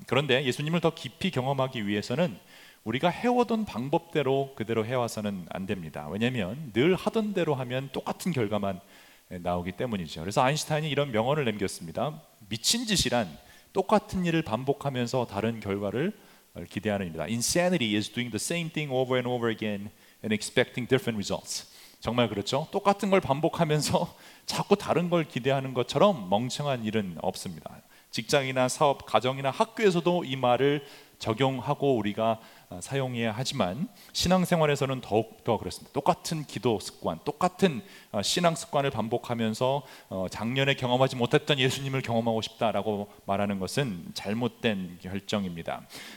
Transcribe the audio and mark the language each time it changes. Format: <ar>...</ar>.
<ko>그런데 예수님을 더 깊이 경험하기 위해서는 우리가 해오던 방법대로 그대로 해와서는 안 됩니다. 왜냐하면 늘 하던 대로 하면 똑같은 결과만 나오기 때문이죠. 그래서 아인슈타인이 이런 명언을 남겼습니다. 미친 짓이란 똑같은 일을 반복하면서 다른 결과를 기대하는 일이다.</ko> <en>Insanity is doing the same thing over and over again and expecting different results.</en> <ko>정말 그렇죠? 똑같은 걸 반복하면서 자꾸 다른 걸 기대하는 것처럼 멍청한 일은 없습니다. 직장이나 사업, 가정이나 학교에서도 이 말을 적용하고 우리가 사용해야 하지만 신앙생활에서는 더욱더 그렇습니다. 똑같은 기도 습관, 똑같은 신앙 습관을 반복하면서 작년에 경험하지 못했던 예수님을 경험하고 싶다라고 말하는 것은 잘못된 결정입니다.</ko>